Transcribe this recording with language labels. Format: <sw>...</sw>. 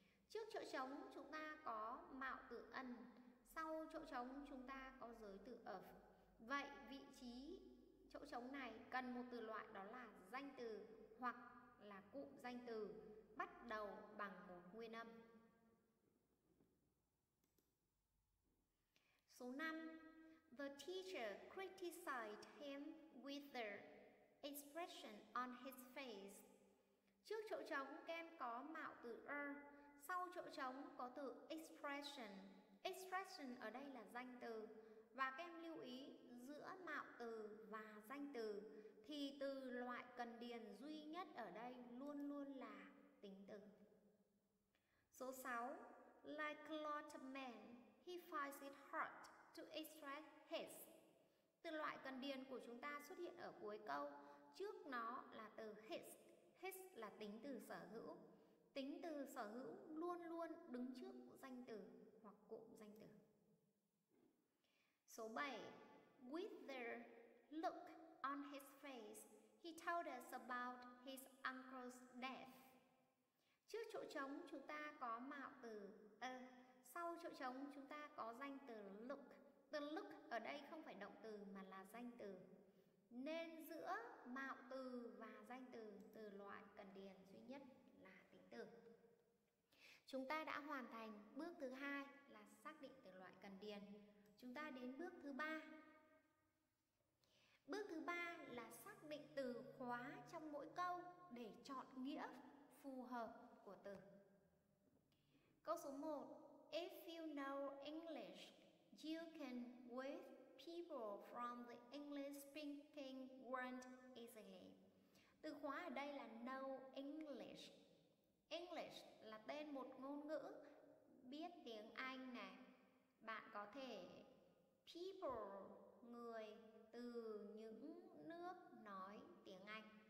<vi>Trước chỗ trống chúng ta có mạo từ un, sau chỗ trống chúng ta có giới từ of. Vậy vị trí chỗ trống này cần một từ loại, đó là danh từ hoặc là cụm danh từ bắt đầu bằng một nguyên âm. Số 5.</vi> <en>The teacher criticized him with the expression on his face.</en> <vi>Trước chỗ trống kem có mạo từ sau chỗ trống có từ expression. Expression ở đây là danh từ. Và các em lưu ý, giữa mạo từ và danh từ thì từ loại cần điền duy nhất ở đây luôn luôn là tính từ. Số 6.</vi> <en>Like a lot of men, he finds it hard to express his.</en> <vi>Từ loại cần điền của chúng ta xuất hiện ở cuối câu. Trước nó là từ his. His là tính từ sở hữu. Tính từ sở hữu luôn luôn đứng trước danh từ hoặc cụm danh từ. Số 7.</vi> <en>With the look on his face, he told us about his uncle's death.</en> <vi>Trước chỗ trống chúng ta có mạo từ sau chỗ trống chúng ta có danh từ look. The look ở đây không phải động từ mà là danh từ. Nên giữa mạo từ và danh từ, từ loại cần điền duy nhất là tính từ. Chúng ta đã hoàn thành bước thứ 2 là xác định từ loại cần điền. Chúng ta đến bước thứ 3. Bước thứ 3 là xác định từ khóa trong mỗi câu để chọn nghĩa phù hợp của từ. Câu số 1.</vi> <en>If you know English, you can with people from the English speaking world easily.</en> <vi>Từ khóa ở đây là know English. English là tên một ngôn ngữ, biết tiếng Anh này. Bạn có thể people, người từ những nước nói tiếng Anh.</vi>